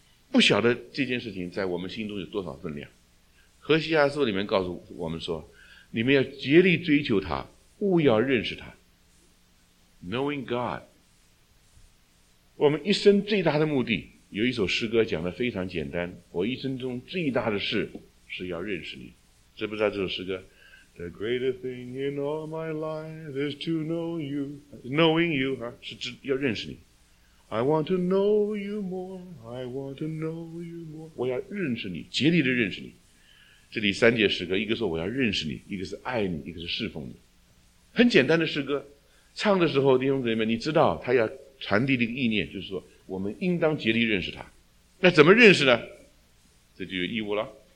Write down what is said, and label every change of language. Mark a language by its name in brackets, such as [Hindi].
[Chinese] 不晓得这件事情在我们心中有多少分量。何西阿书里面告诉我们说，你们要竭力追求他，务要认识他。 [English] Knowing God, [Chinese] 我们一生最大的目的，有一首诗歌讲得非常简单，我一生中最大的事是要认识你。知不知道这首诗歌？ [English] The greatest thing in all my life is to know you, knowing you, [Chinese] 是要认识你。 [English] I want to know you more, I want to know you more. [Chinese] 我要认识你，竭力的认识你。这里三节诗歌，一个说我要认识你，一个是爱你，一个是侍奉你。很简单的诗歌，唱的时候弟兄姊妹们，你知道他要传递的一个意念，就是说我们应当竭力认识他。那怎么认识呢？这就有义务了。